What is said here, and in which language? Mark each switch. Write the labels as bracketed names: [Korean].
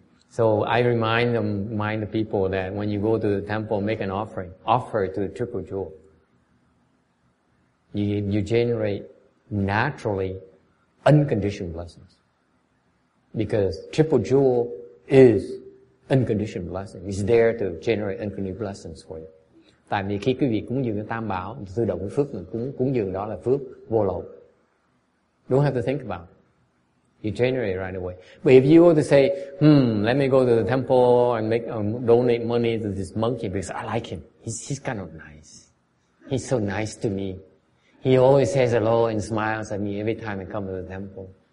[English] So I remind the people that when you go to the temple, make an offering, offer to the Triple Jewel. You generate naturally unconditioned blessings. Because Triple Jewel is unconditioned blessing. It's there to generate unconditioned blessings for you. [Vietnamese] Tại vì khi quý vị cúng dường cho Tam Bảo, tự động cái phước mình cúng dường đó là phước vô lậu. [English] Don't have to think about it. You generate right away. But if you were to say, let me go to the temple and make donate money to this monkey because I like him. He's kind of nice. He's so nice to me. He always says hello and smiles at me every time I come to the temple.